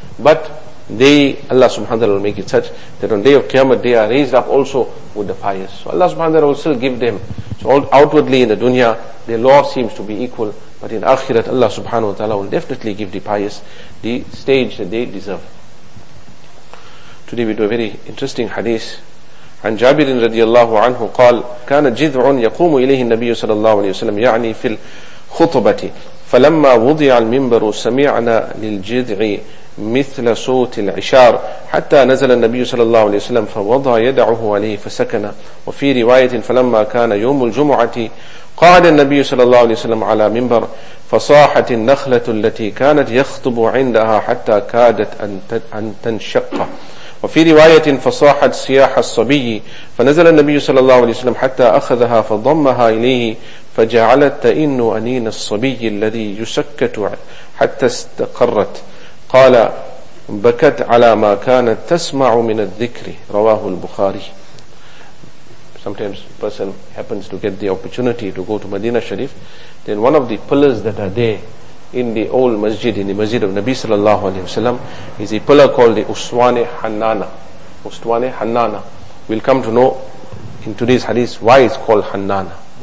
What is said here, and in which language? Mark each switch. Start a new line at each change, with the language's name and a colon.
English: But they, Allah subhanahu wa ta'ala will make it such that on the day of Qiyamah they are raised up also with the pious. So Allah subhanahu wa ta'ala will still give them. So outwardly in the dunya their law seems to be equal. But in akhirat Allah subhanahu wa ta'ala will definitely give the pious the stage that they deserve. Today we do a very interesting hadith.
Arabic: عن جابر رضي الله عنه قال كان جذع يقوم إليه النبي صلى الله عليه وسلم يعني في الخطبة فلما وضع المنبر سمعنا للجذع مثل صوت العشار حتى نزل النبي صلى الله عليه وسلم فوضع يده عليه فسكن وفي رواية فلما كان يوم الجمعة قعد النبي صلى الله عليه وسلم على منبر فصاحت النخلة التي كانت يخطب عندها حتى كادت أن تنشق وفي رواية فصاحت صياح الصبي فنزل النبي صلى الله عليه وسلم حتى أخذها فضمها إليه فجعلت تئن أنين الصبي الذي يسكت حتى استقرت قال بكت على ما كانت تسمع من الذكر رواه البخاري.
English: Sometimes a person happens to get the opportunity to go to Medina Sharif, then one of the pillars that are there in the old masjid, in the masjid of Nabi sallallahu alayhi wa sallam, is a pillar called the Uswan-e-Hannana. Uswan-e-Hannana. We'll come to know in today's hadith why it's called Hannana.